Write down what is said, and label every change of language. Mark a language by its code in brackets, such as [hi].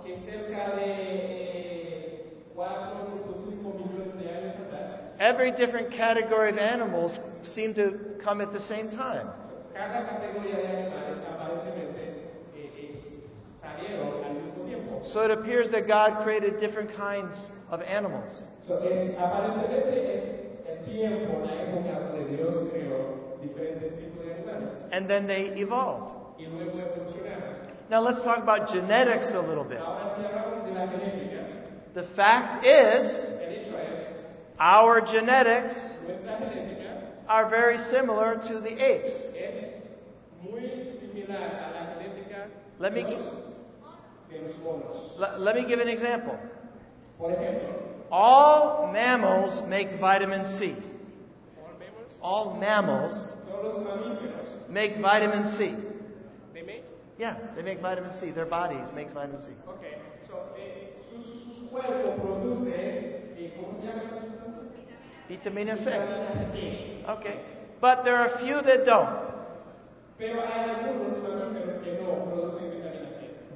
[es] que cerca de 4.5 millones de años atrás, [en] every different category of animals seemed to come at the same time. [es] Cada categoría de animales aparentemente salieron. [en] So it appears that God created different kinds of animals. [es] So es aparentemente es el tiempo, la época donde Dios creó diferentes tipos de animales. [en] And then they evolved. [es] Y luego evolucionaron. [en] Now let's talk about genetics a little bit. [es] Ahora si hablamos de la genética. [en] The fact is, [es] el hecho es, [en] our genetics, [es] nuestra genética, [en] are very similar to the apes. [es] Es muy similar a la genética. [en] Let me give an example. [es] Por ejemplo, [en] all mammals make vitamin C. All mammals make vitamin C. They make? Yeah, they make vitamin C. Their bodies make vitamin C. Okay, so [es] sus cuerpos producen, ¿cómo se llama? Vitamina C. Vitamina C. [en] Okay, but there are a few that don't. [es] Pero hay algunos mamíferos que no producen vitamina C.